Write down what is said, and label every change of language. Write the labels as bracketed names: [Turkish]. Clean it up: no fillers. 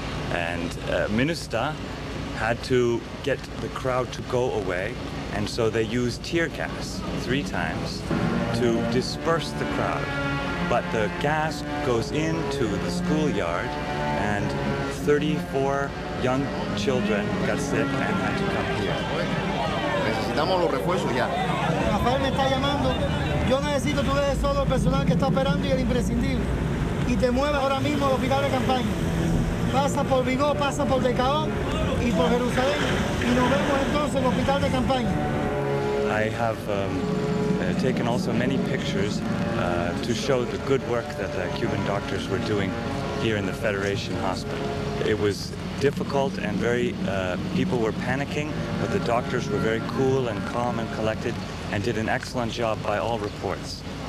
[English] And minister had to get the crowd to go away, and so they used tear gas three times to disperse the crowd. But the gas goes into the schoolyard and 34 young children got sick and had to come here. [Spanish] Necesitamos los refuerzos ya. Rafael me está llamando. Yo necesito que tú dejes solo el personal que está operando y el imprescindible. Y te muevas ahora mismo al hospital de campaña. Pasa por Vigo, pasa por Decaón y por Jerusalén. Y nos vemos entonces en el hospital de campaña. [English] I have taken also many pictures to show the good work that the Cuban doctors were doing here in the Federation Hospital. It was difficult and very, people were panicking, but the doctors were very cool and calm and collected and did an excellent job by all reports.